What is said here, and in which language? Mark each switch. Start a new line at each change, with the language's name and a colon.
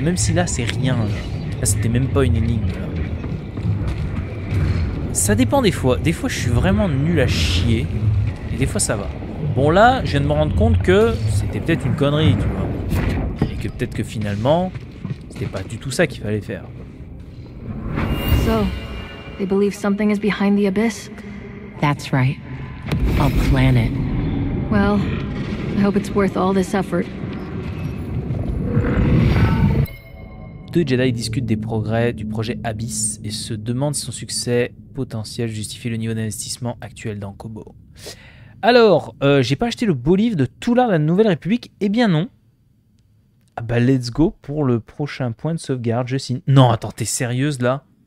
French: Même si là, c'est rien. Là, c'était même pas une énigme. Là. Ça dépend des fois. Des fois, je suis vraiment nul à chier. Et des fois, ça va. Bon, là, je viens de me rendre compte que c'était peut-être une connerie, tu vois. Et que peut-être que finalement, c'était pas du tout ça qu'il fallait faire.
English: So, they believe something is behind the abyss? That's right. A planet. Well, I hope it's worth all this effort.
French: Deux Jedi discutent des progrès du projet Abyss et se demandent si son succès potentiel justifie le niveau d'investissement actuel dans Kobo. Alors, j'ai pas acheté le beau livre de Toulard de la Nouvelle République. Eh bien non. Ah bah let's go pour le prochain point de sauvegarde, je signe. Non, attends, t'es sérieuse là?